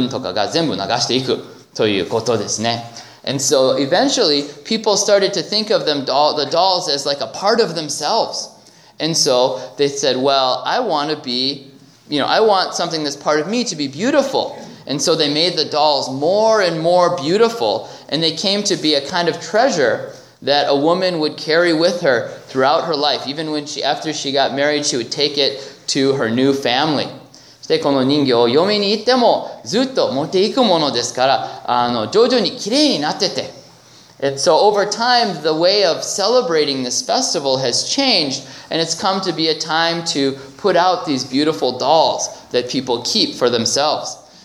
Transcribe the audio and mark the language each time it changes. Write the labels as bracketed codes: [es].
[ja] みんなはその、もともとそのひなまつりは、神で作った人形を体にこう、なで、なだ、なでて、で、悪どうしとかあるでしょう。その悪が、ドールについて、そのドールを川に流して、その、ちょっと悪い運とかが全部流していくということですね。 [en] And so eventually, people started to think of them the dolls as like a part of themselves. And so they said, well, I want to be, you know, I want something that's part of me to be beautiful. And so they made the dolls more and more beautiful. And they came to be a kind of treasure that a woman would carry with her throughout her life. Even when she, after she got married, she would take it to her new family. [ja] で、この人形を嫁に行ってもずっと持っていくものですから、徐々に綺麗になってて。 [en] And so over time, the way of celebrating this festival has changed, and it's come to be a time to put out these beautiful dolls that people keep for themselves.